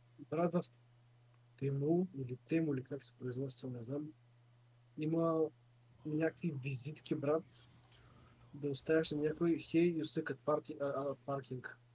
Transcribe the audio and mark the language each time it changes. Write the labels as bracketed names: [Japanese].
[Bulgarian] брат в Тему или Тему или как се произнася, не знам. Има някакви визитки, брат. Да оставяш на някой [English] Hey, you suck at parking.